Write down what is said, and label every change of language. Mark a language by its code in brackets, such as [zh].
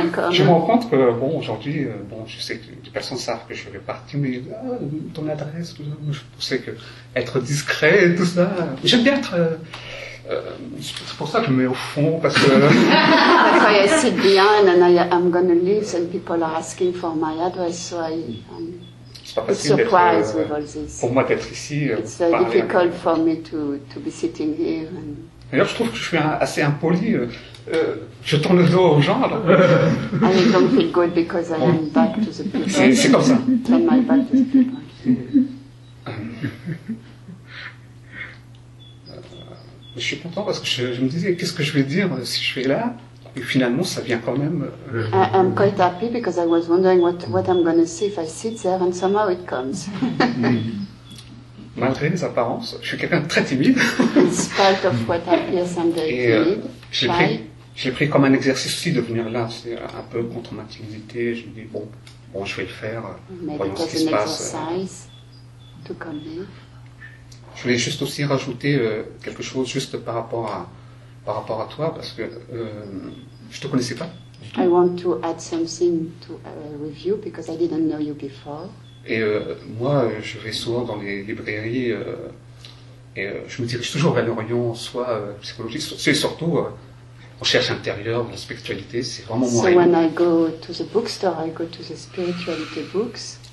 [fr] Je me rends compte que bon, aujourd'hui, je sais que les personnes savent que je vais partir, mais ton adresse, je pensais que être discret et tout ça. J'aime bien être. C'est pour ça que je me mets au fond, parce que... [en] Because I sit behind and I'm going to leave and people are asking for my address, so I'm surprised with all this. [fr] Pour moi d'être ici... [en] It's very difficult for me to be sitting here. And... [fr] D'ailleurs, je trouve que je suis assez impoli. Je tourne le dos aux gens, alors. [en] And I don't feel good because I'm bon. Back to the people. [fr] C'est comme ça. [en] Turn my back to the people. [fr] Je suis content parce que je me disais qu'est-ce que je vais dire si je vais là, et finalement ça vient quand même. [en] I'm quite happy because I was wondering what I'm going to see if I sit there, and somehow it comes. [fr] Malgré les apparences, je suis quelqu'un de très timide. [en] It's part of what appears I'm very timid. [fr] J'ai pris comme un exercice aussi de venir là, c'est un peu contre ma timidité. Je me dis bon je vais le faire. [en] Maybe [fr] voyons ce qui se passe. [en] To come here. [fr] Je voulais juste aussi rajouter quelque chose juste par rapport à toi, parce que je te connaissais pas. [en] I want to add something to with you because I didn't know you before. [fr] Et moi, je vais souvent dans les librairies et je me dirige toujours vers l'Orient, soit psychologie, c'est surtout recherche intérieure, la spiritualité, c'est vraiment moi. [en] So when I go to the bookstore, I go to the spirituality books.